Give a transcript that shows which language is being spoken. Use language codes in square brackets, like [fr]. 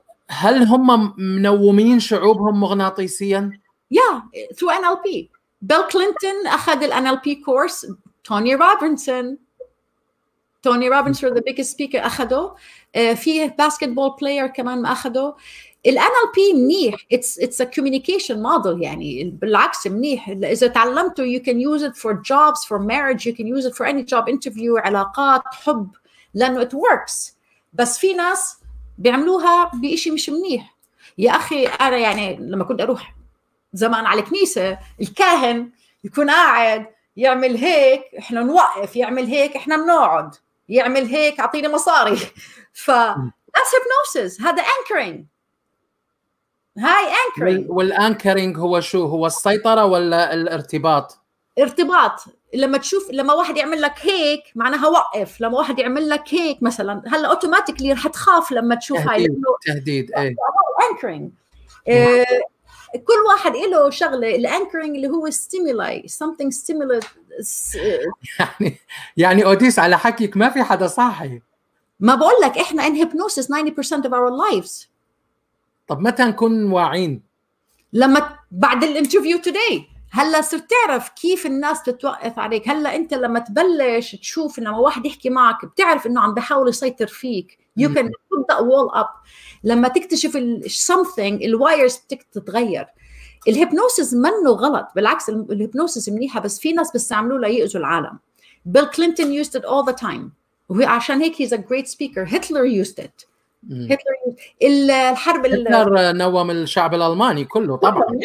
[ar] هل هم منومين شعوبهم مغناطيسيا؟ [en] through NLP. [ar] بيل كلينتون أخذ الـ NLP course. توني روبنسون [en] the biggest speaker [ar] أخذه. في باسكتبول بلاير كمان ما أخده. الـ NLP منيح. [en] It's a communication model [ar] يعني. بالعكس منيح. إذا تعلمته [en] you can use it for jobs, for marriage. You can use it for any job interview، [ar] علاقات، حب. لأنه [en] it works. [ar] بس في ناس بيعملوها بإشي مش منيح. يا أخي أنا يعني لما كنت أروح زمان على الكنيسة، الكاهن يكون قاعد يعمل هيك إحنا نوقف، يعمل هيك إحنا بنقعد، يعمل هيك أعطيني مصاري. [en] ف that's hypnosis. هذا anchoring. هاي anchoring. [ar] والانكرينج هو شو؟ هو السيطرة ولا الارتباط؟ ارتباط. لما تشوف لما واحد يعمل لك هيك معناها وقف. لما واحد يعمل لك هيك مثلا هلا اوتوماتيكلي رح تخاف لما تشوف تهديد. هاي تهديد. anchoring. كل واحد له شغلة. الانكرينج اللي هو stimuli. [en] something stimulus. [ar] يعني أوديس على حكيك ما في حدا صاحي. ما بقول لك احنا [en] in hypnosis 90% of our lives. [ar] طب متى نكون واعين؟ لما بعد الانترفيو today. هلا صرت تعرف كيف الناس بتوقف عليك. هلا انت لما تبلش تشوف انه واحد يحكي معك بتعرف انه عم بحاول يسيطر فيك. [en] You can put that wall up. [ar] لما تكتشف something الوايرز بتتغير. الهيبنوسيس منه غلط، بالعكس الهيبنوسيس منيحة، بس في ناس بيستعملوه ليؤذوا العالم. [en] Bill Clinton used it all the time. [ar] وعشان هيك [en] he's a great speaker. Hitler used it. [ar] الحرب هتلر نوم الشعب الألماني كله طبعا.